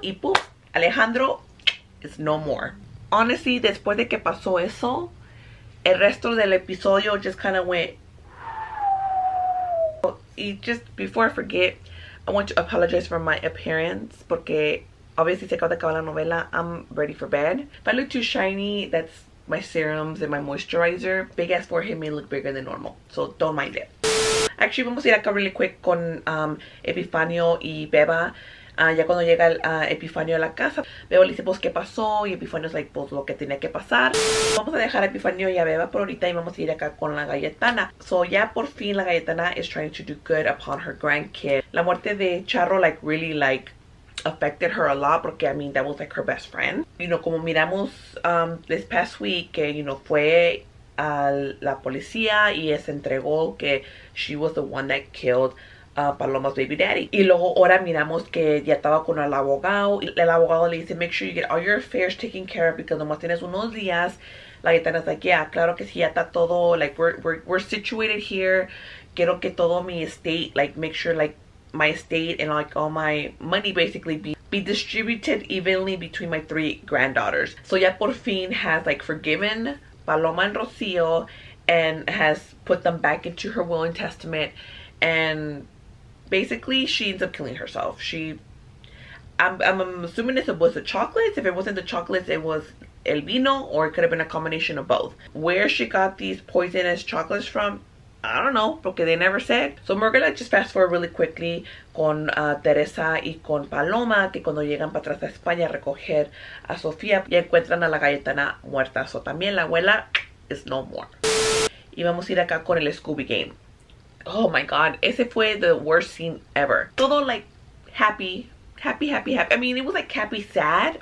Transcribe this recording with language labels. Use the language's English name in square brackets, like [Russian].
[English] Y boom, Alejandro is no more. Honestly, [Spanish] después de que pasó eso, el resto del episodio [English] just kind of went... Y just before I forget, I want to apologize for my appearance, porque obviously [Spanish] se acaba de acabar la novela, [English] I'm ready for bed. If I look too shiny, that's my serums and my moisturizer. Big ass forehead may look bigger than normal, so don't mind it. Actually, [Spanish] vamos a ir acá [English] really quick [Spanish] con Epifanio y Beba. Ya cuando llega Epifanio a la casa, Beba le dice, pues, ¿qué pasó? Y Epifanio es like, pues, lo que tenía que pasar. Vamos a dejar a Epifanio y a Beba por ahorita y vamos a ir acá con la Galletana. [English] So, [Spanish] ya por fin la Galletana [English] is trying to do good upon her grandkid. [Spanish] La muerte de Charro, [English] like, really, like, affected her a lot [Spanish] porque, [English] I mean, that was, like, her best friend. You know, [Spanish] como miramos [English] this past week, que, you know, [Spanish] fue a la policía y se entregó que [English] she was the one that killed Paloma's baby daddy. [Spanish] Y luego ahora miramos que ya estaba con el abogado. El abogado le dice, [English] make sure you get all your affairs taken care of because [Spanish] nomás tienes unos días. [English] La Gaitana's like, yeah, [Spanish] claro que sí, ya está todo. [English] Like, we're situated here. [Spanish] Quiero que todo mi estate, [English] like, make sure, like, my estate and, like, all my money basically be distributed evenly between my three granddaughters. So [Spanish] ya por fin [English] has, like, forgiven Paloma and Rocío and has put them back into her will and testament. And basically, she ends up killing herself. I'm assuming it was the chocolates. If it wasn't the chocolates, it was [Spanish] el vino, [English] or it could have been a combination of both. Where she got these poisonous chocolates from, I don't know, [Spanish] porque [English] they never said. So we're gonna just fast forward really quickly [Spanish] con Teresa y con Paloma, que cuando llegan para atrás a España a recoger a Sofía, y encuentran a la Galletana muerta. So también la abuela [English] is no more. [Spanish] Y vamos a ir acá con el Scooby game. [English] Oh my god, [Spanish] ese fue [English] the worst scene ever. [Spanish] Todo [English] like happy. I mean, it was like happy sad.